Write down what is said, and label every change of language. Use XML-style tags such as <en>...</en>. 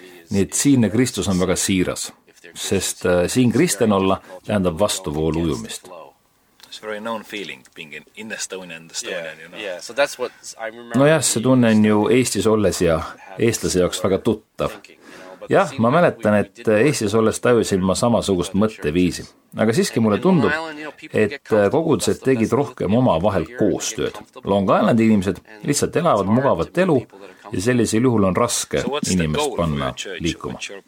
<et>Nii et siinne Kristus on väga siiras. Sest siin kristen olla tähendab vastuvoolu ujumist.</et> <en>It's very known feeling being in Estonia and Estonian, you know. Yeah, so that's what I remember.</en> <et>No jah, see tunne on ju Eestis olles ja eestlase jaoks väga tuttav. Jah, ma mäletan, et Eestis olles tajusin ma samasugust mõtteviisi. Aga siiski mulle tundub, et kogudused tegid rohkem oma vahel koostööd. Long Island inimesed lihtsalt elavad mugavat elu ja sellisel juhul on raske inimest panna liikuma.</et>